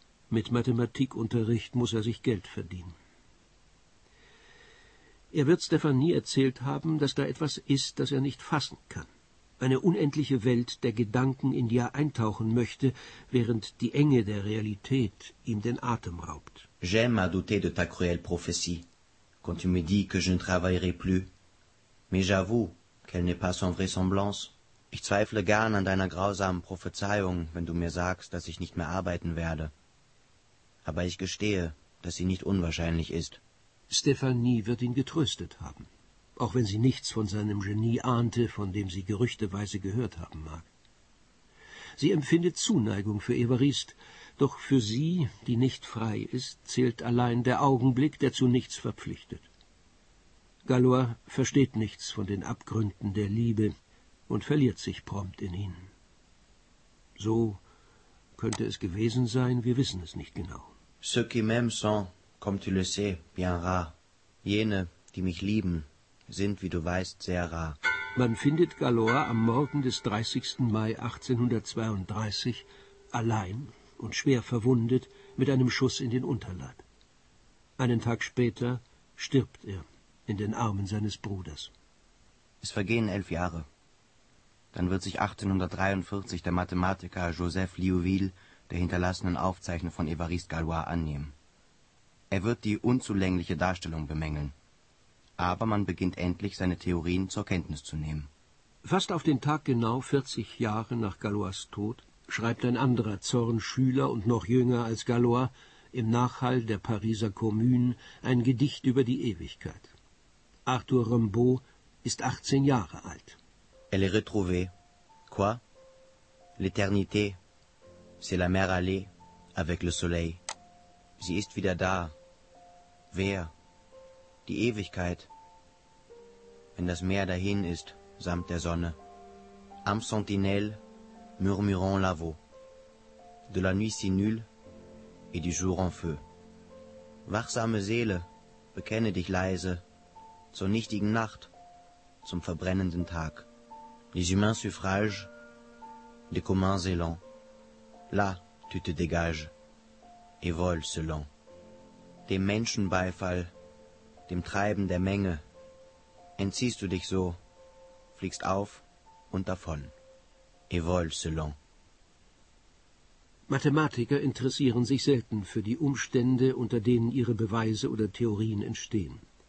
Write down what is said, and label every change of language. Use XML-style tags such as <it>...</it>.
<de>Mit Mathematikunterricht muss er sich Geld verdienen. Er wird Stéphanie erzählt haben, dass da etwas ist, das er nicht fassen kann. Eine unendliche Welt der Gedanken, in die er eintauchen möchte, während die Enge der Realität ihm den Atem raubt.</de> <fr>J'aime à douter de ta cruelle prophétie, quand tu me dis que je ne travaillerai plus. Mais j'avoue qu'elle n'est pas sans vraisemblance.</fr> <de>Ich zweifle gern an deiner grausamen Prophezeiung, wenn du mir sagst, dass ich nicht mehr arbeiten werde. Aber ich gestehe, dass sie nicht unwahrscheinlich ist. Stephanie wird ihn getröstet haben, auch wenn sie nichts von seinem Genie ahnte, von dem sie gerüchteweise gehört haben mag. Sie empfindet Zuneigung für Évariste, doch für sie, die nicht frei ist, zählt allein der Augenblick, der zu nichts verpflichtet. Galois versteht nichts von den Abgründen der Liebe und verliert sich prompt in ihnen. So könnte es gewesen sein, wir wissen es nicht genau.</de> <fr>Ceux qui m'aiment sont, comme tu le sais, bien rares.</fr> <de>Jene, die mich lieben, sind, wie du weißt, sehr rar. Man findet Galois am Morgen des 30. Mai 1832 allein und schwer verwundet mit einem Schuss in den Unterleib. Einen Tag später stirbt er in den Armen seines Bruders. Es vergehen 11 Jahre. Dann wird sich 1843 der Mathematiker Joseph Liouville der hinterlassenen Aufzeichnung von Évariste Galois annehmen. Er wird die unzulängliche Darstellung bemängeln. Aber man beginnt endlich, seine Theorien zur Kenntnis zu nehmen. Fast auf den Tag genau 40 Jahre nach Galois Tod schreibt ein anderer Zornschüler und noch jünger als Galois im Nachhall der Pariser Kommune ein Gedicht über die Ewigkeit. Arthur Rimbaud ist 18 Jahre alt.</de> <fr>Elle est retrouvée. Quoi? L'éternité. C'est la mer allée avec le soleil.</fr> <de>Sie ist wieder da. Wer? Die Ewigkeit, wenn das Meer dahin ist, samt der Sonne.</de> <fr>Am Sentinelle, murmurant la voix. De la nuit si nulle et du jour en feu.</fr> <de>Wachsame Seele, bekenne dich leise zur nichtigen Nacht, zum verbrennenden Tag.</de> <fr>Les humains suffrages, les communs élans. Là, tu te dégages et vole selon.</fr> <de>Dem Menschenbeifall, dem Treiben der Menge, entziehst du dich so, fliegst auf und davon.</de> <fr>Et vol selon.</fr> <de>Mathematiker interessieren sich selten für die Umstände, unter denen ihre Beweise oder Theorien entstehen.</de>